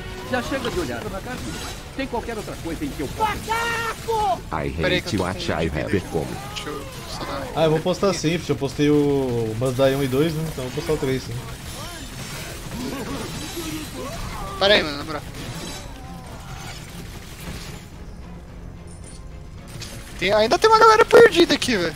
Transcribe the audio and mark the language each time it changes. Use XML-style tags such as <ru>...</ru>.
<pt>Já chega de olhar, macaco. Tem qualquer outra coisa em que eu macaco!</pt> <en>I hate what I have become.</en> <pt>Ah, eu vou postar sim, eu postei o Mazda 1 e 2, né? Então eu vou postar o 3, sim. Pera aí, mano, bro. Tem, ainda tem uma galera perdida aqui, velho.</pt>